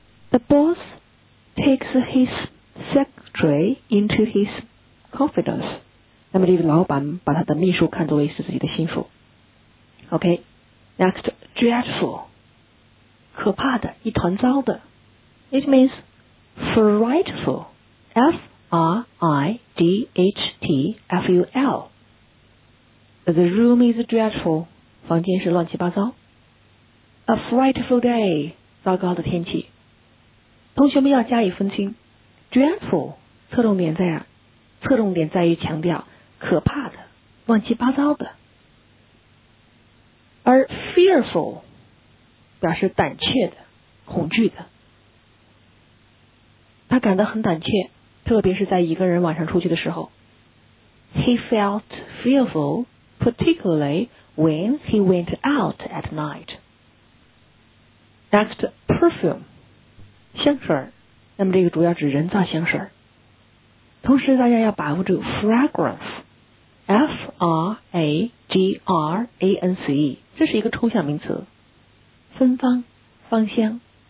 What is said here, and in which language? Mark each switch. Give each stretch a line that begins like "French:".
English: The boss takes his secretary into his confidence.
Chinese: 那么这个老板把他的秘书看作为是自己的心腹。
English: OK, next, dreadful,
Chinese: 可怕的，一团糟的。
English: It means frightful, F-R-I-D-H-T-F-U-L. The room is dreadful,
Chinese: 房间是乱七八糟。
English: A frightful day,
Chinese: 糟糕的天气。同学们要加以分清 ,dreadful, 侧重点在于强调可怕的、乱七八糟的。而 fearful, 表示胆怯的、恐惧的。他感到很胆怯，特别是在一个人晚上出去的时候。
English: He felt fearful,particularly when he went out at night.
Chinese: Next, perfume, 香水，那么这个主要指人造香水。同时大家要把握住 fragrance, F-R-A-G-R-A-N-C-E, 这是一个抽象名词，芬芳、芳香。